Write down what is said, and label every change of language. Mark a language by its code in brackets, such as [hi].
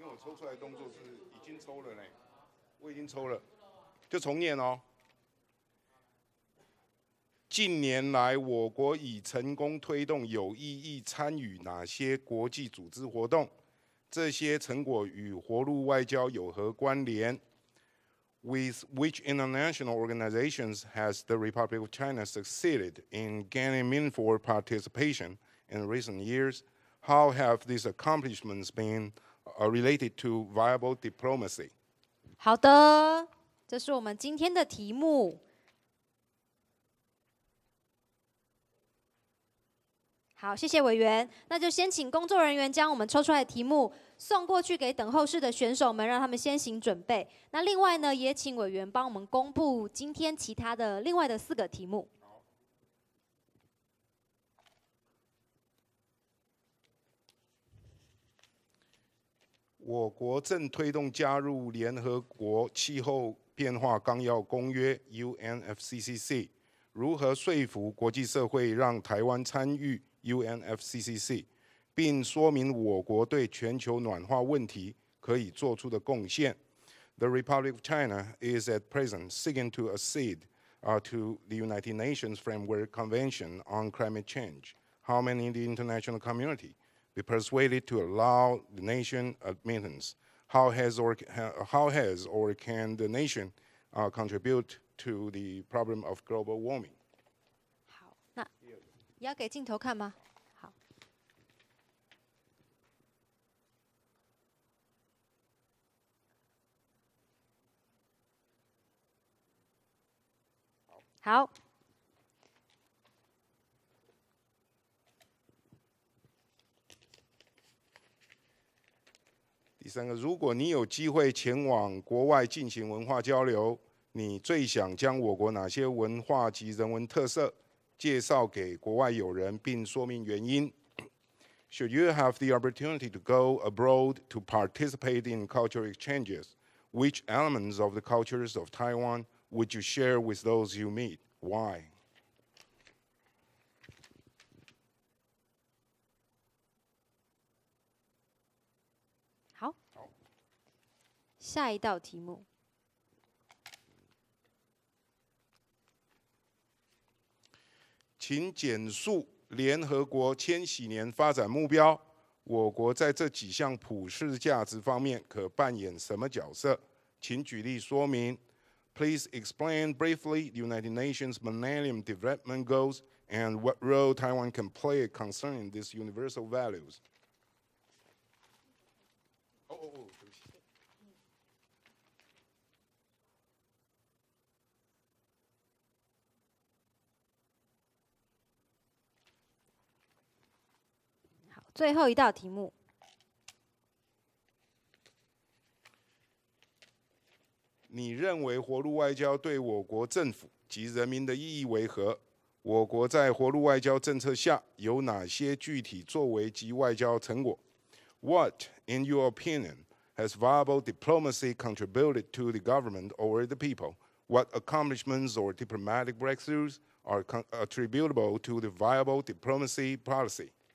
[zh] 因为我抽出来的动作是已经抽了呢，我已经抽了，就重念哦。近年来，我国已成功推动有意义参与哪些国际组织活动？这些成果与活路外交有何关联？ [en] With which international organizations has the Republic of China succeeded in gaining meaningful participation in recent years? How have these accomplishments been related to viable diplomacy? [zh] 好的，这是我们今天的题目。好，谢谢委员。那就先请工作人员将我们抽出来的题目送过去给等候室的选手们，让他们先行准备。那另外呢，也请委员帮我们公布今天其他的另外的四个题目。我国正推动加入联合国气候变化纲要公约 UNFCCC， 如何说服国际社会让台湾参与UNFCCC， 并说明我国对全球暖化问题可以做出的贡献。 [en] The Republic of China is at present seeking to accede to the United Nations Framework Convention on Climate Change. How may the international community be persuaded to allow the nation admittance? How has or can the nation contribute to the problem of global warming? [zh] 你要给镜头看吗？好。好。第三个，如果你有机会前往国外进行文化交流，你最想将我国哪些文化及人文特色介绍给国外友人并说明原因。 [en] Should you have the opportunity to go abroad to participate in cultural exchanges, which elements of the cultures of Taiwan would you share with those you meet? Why? [zh] 好，下一道题目。请简述联合国千禧年发展目标，我国在这几项普世价值方面可扮演什么角色？请举例说明。 [en] Please explain briefly the United Nations Millennium Development Goals and what role Taiwan can play concerning these universal values. [zh] 最后一道题目。你认为活路外交对我国政府及人民的意义为何？我国在活路外交政策下有哪些具体作为及外交成果？ [en] What, in your opinion, has viable diplomacy contributed to the government or the people? What accomplishments or diplomatic breakthroughs are attributable to the viable diplomacy policy?